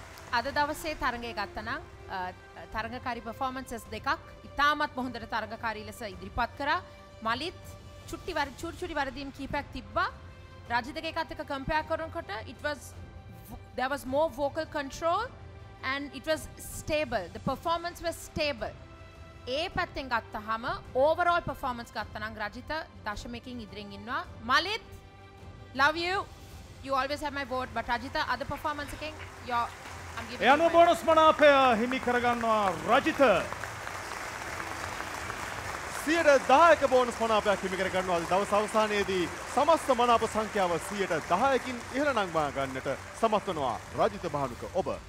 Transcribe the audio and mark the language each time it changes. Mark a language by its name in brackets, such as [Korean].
[Sinhala] අද දවසේ තරඟය ගත්තනම් තරඟකාරී පර්ෆෝමන්සස් දෙකක් ඉතාමත් හොඳට තරඟකාරී ලෙස ඉදිරිපත් කරා. මලිත් චුට්ටි වරදීම් කීපයක් තිබ්බා. රජිතගේ එකත් එක කම්පෙයාර් කරනකොට [English] there was more vocal control and it was stable. The performance was stable. [Sinhala] A පැත්තෙන් ගත්තහම [English] overall performance [Sinhala] ගත්තනම් රජිත දශමකින් ඉදිරින් ඉන්නවා. [English] Malith love you. You always have my vote. But Rajita, other performance එකෙන් [Sinhala] එයනු බොනස් මනාපය හිමි කරගන්නවා රජිත. 10% බෝනස් මනාපයක් හිමි කරගන්නවා. දවස අවසානයේදී සමස්ත මනාප සංඛ්‍යාව 10%කින් ඉහළ නංවා ගන්නට සමත් වෙනවා රජිත භානුක ඔබ.